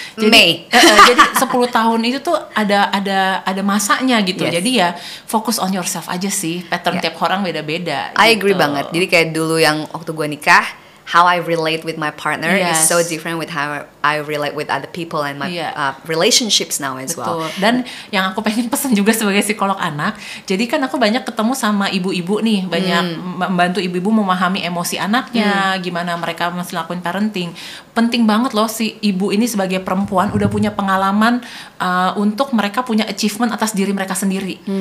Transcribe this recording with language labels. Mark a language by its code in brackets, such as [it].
[id] Jadi 10 tahun itu tuh ada masanya gitu. Yes. Jadi ya fokus on yourself aja sih. Pattern tiap orang beda-beda. Agree banget. Jadi kayak dulu yang waktu gue nikah, [en] how I relate with my partner is so different with how I relate with other people and my relationships now as well. [id] Dan yang aku pengen pesan juga sebagai psikolog anak, jadi kan aku banyak ketemu sama ibu-ibu nih, banyak membantu ibu-ibu memahami emosi anaknya, gimana mereka masih lakuin parenting. Penting banget loh si ibu ini sebagai perempuan udah punya pengalaman untuk mereka punya achievement atas diri mereka sendiri.